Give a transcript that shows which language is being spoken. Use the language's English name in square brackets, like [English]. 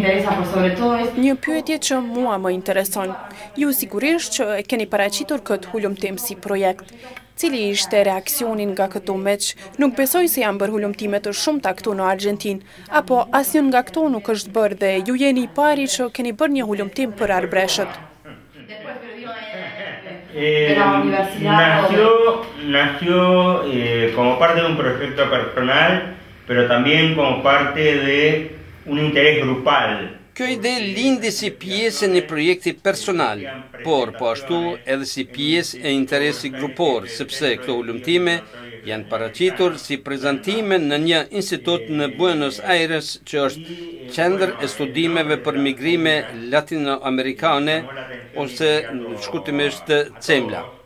[Albanian] Një pyetje që mua më intereson. Ju sigurisht që e keni paraqitur këtë hulumtim si projekt. Cili ishte reaksionin nga këto meç? Nuk besoj se janë bërë hulumtime të shumta këtu në Argentinë. Apo asnjë nga këto nuk është bërë dhe ju jeni i pari që keni bërë një hulumtim për arbreshët. [Spanish] Nació como parte de un proyecto personal, pero también como parte de un interés grupal. [Albanian] Kjo ide lindi si pjesë në projekti personal, por po ashtu edhe si pjesë e interesi grupor, sepse këto hulumtime janë paraqitur si prezantime në një institut në Buenos Aires që është qendër e studimeve për migrime latinoamerikane ose shkurtimisht CEMLA.